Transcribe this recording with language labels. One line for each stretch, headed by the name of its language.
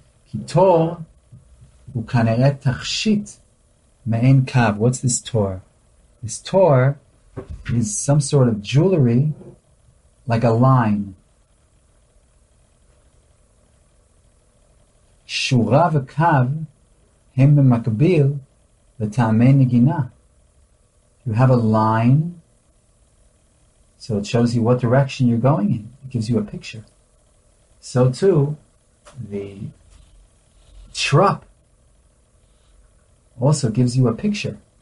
Hebrew: Ki tor וכנראה תכשיט מעין קו.
English: What's this tor? This tor is some sort of jewelry, like a line.
Hebrew: שורה וקו הם במקביל לטעמי נגינה.
English: You have a line, so it shows you what direction you're going in. It gives you a picture. So too, the trap also gives you a picture.